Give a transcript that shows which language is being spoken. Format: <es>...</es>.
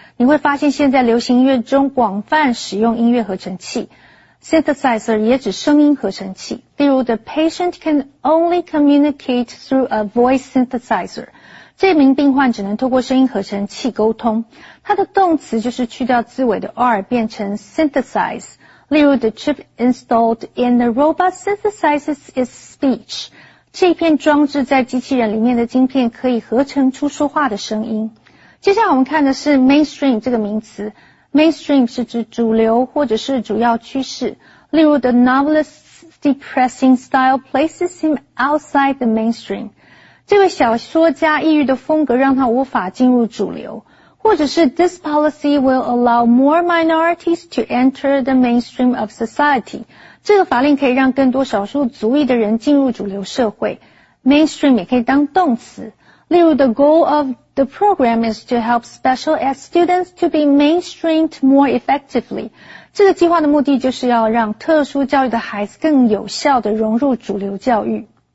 <zh>你会发现现在流行音乐中广泛使用音乐合成器。 Synthesizer 也指声音合成器。例如</zh> <en>,the patient can only communicate through a voice synthesizer.</en> <zh>这名病患只能透过声音合成器沟通。它的动词就是去掉字尾的 R 变成 synthesize. 例如</zh> <en>,the chip installed in the robot synthesizes its speech.</en> <zh>这片装置在机器人里面的晶片可以合成出说话的声音。接下来我们看的是 mainstream 这个名词。mainstream 是指主流或者是主要趋势。例如</zh> <en>,the novelist's depressing style places him outside the mainstream.</en> <zh>这位小说家抑郁的风格让他无法进入主流。或者是</zh> <en>,this policy will allow more minorities to enter the mainstream of society.</en> <zh>这个法令可以让更多少数族裔的人进入主流社会。 Mainstream 也可以当动词。例如</zh> <en>,the goal of the program is to help special ed students to be mainstreamed more effectively.</en> <zh>这个计划的目的就是要让特殊教育的孩子更有效地融入主流教育。</zh>